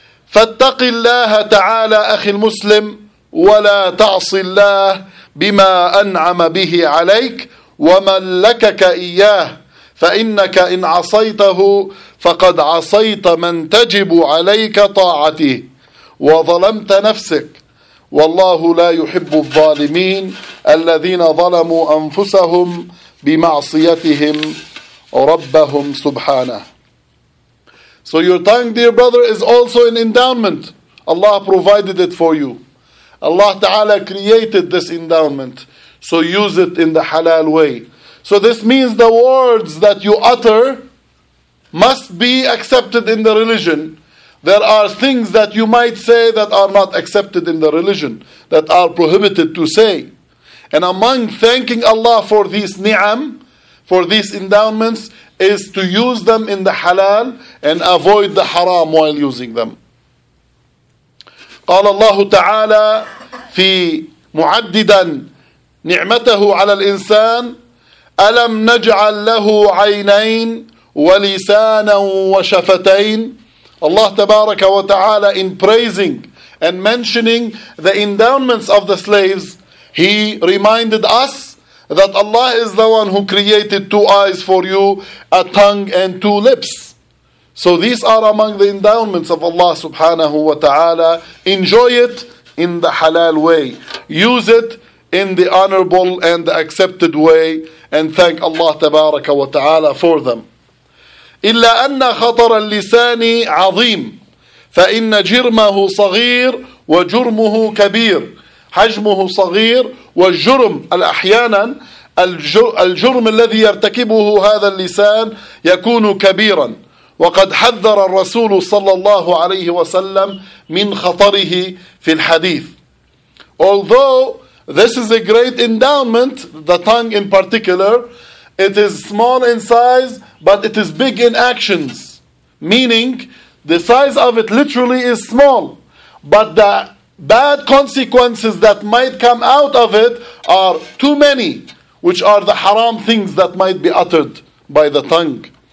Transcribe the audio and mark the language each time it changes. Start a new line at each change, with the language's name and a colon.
Arabic: فَاتَّقِ اللَّهَ تَعَالَى أَخِي الْمُسْلِمِ وَلَا تَعْصِ اللَّهَ بما أنعم به عليك وملكك إياه، فإنك إن عصيته فقد عصيت من تجب عليك طاعته وظلمت نفسك، والله لا يحب الظالمين الذين ظلموا أنفسهم بمعصيتهم ربهم سبحانه.
English: So your tongue, dear brother, is also an endowment. Allah provided it for you. Allah Ta'ala created this endowment, so use it in the halal way. So this means the words that you utter must be accepted in the religion. There are things that you might say that are not accepted in the religion, that are prohibited to say. And among thanking Allah for these ni'am, for these endowments, is to use them in the halal and avoid the haram while using them.
Arabic: قال الله تعالى في معددا نعمته على الإنسان: ألم نجعل له عينين ولسانا وشفتين. الله تبارك وتعالى,
English: in praising and mentioning the endowments of the slaves, He reminded us that Allah is the one who created two eyes for you, a tongue and two lips. So these are among the endowments of Allah subhanahu wa ta'ala. Enjoy it in the halal way. Use it in the honorable and the accepted way. And thank Allah tabaraka wa ta'ala for them.
Arabic: إِلَّا أَنَّ خَطَرَ اللِّسَانِ عَظِيمٌ فَإِنَّ جِرْمَهُ صَغِيرٌ وَجُرْمُهُ كَبِيرٌ. حجمه صغير والجرم الأحيانا الجرم الذي يرتكبه هذا اللسان يكون كبيرا. وقد حذر الرسول صلى الله عليه وسلم من خطره في الحديث. Although
English: This is a great endowment, the tongue in particular. It is small in size, but it is big in actions. Meaning, the size of it literally is small. But the bad consequences that might come out of it are too many, which are the haram things that might be uttered by the tongue.